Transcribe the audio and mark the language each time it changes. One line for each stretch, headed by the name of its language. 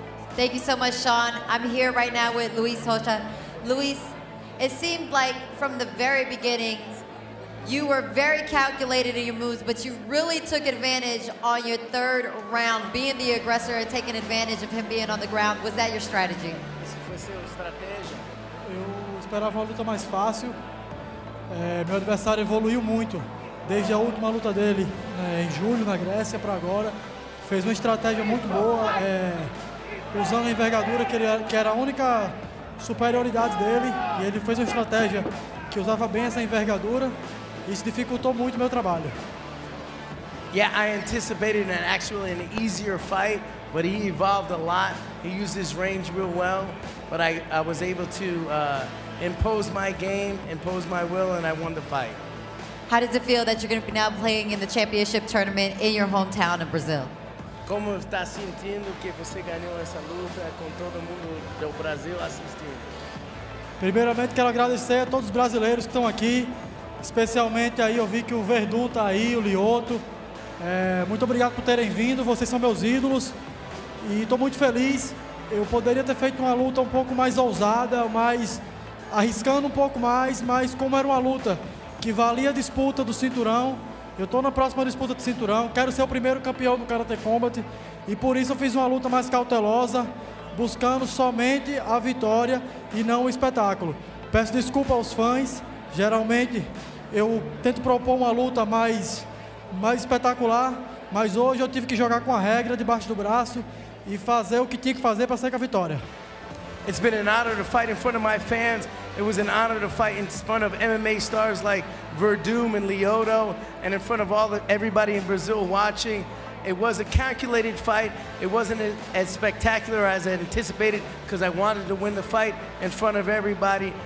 English: Thank you so much, Sean. I'm here right now with Luiz Rocha. Luiz, it seemed like from the very beginning, you were very calculated in your moves, but you really took advantage on your third round, being the aggressor and taking advantage of him being on the ground. Was that your strategy?
Portuguese: Esse foi seu estratégia. Eu esperava uma luta mais fácil, Meu adversário evoluiu muito desde a última luta dele em julho na Grécia para agora. Fez uma estratégia muito boa, usando a envergadura que era a única superioridade dele, e ele fez uma estratégia que usava bem essa envergadura. Isso dificultou muito meu trabalho.
English: Yeah, I anticipated an actually an easier fight, but he evolved a lot. He used his range real well, but I was able to impose my game, impose my will, and I won the fight. How does it feel that you're going to be now playing in the championship tournament in your hometown of Brazil?
Portuguese: Como está sentindo que você ganhou essa luta com todo mundo do Brasil assistindo? Primeiramente quero agradecer a todos os brasileiros que estão aqui, especialmente aí eu vi que o Verdun está aí, o Lioto. Muito obrigado por terem vindo, vocês são meus ídolos e estou muito feliz. Eu poderia ter feito uma luta um pouco mais ousada, mais arriscando um pouco mais, mas como era uma luta que valia a disputa do cinturão, eu estou na próxima disputa de cinturão, quero ser o primeiro campeão do Karate Combat e por isso eu fiz uma luta mais cautelosa, buscando somente a vitória e não o espetáculo. Peço desculpa aos fãs, geralmente eu tento propor uma luta mais espetacular, mas hoje eu tive que jogar com a regra debaixo do braço e fazer o que tinha que fazer para sair com a vitória.
English: It's been an honor to fight in front of my fans. It was an honor to fight in front of MMA stars like Verdum and Lioto, and in front of everybody in Brazil watching. It was a calculated fight. It wasn't as spectacular as I anticipated because I wanted to win the fight in front of everybody.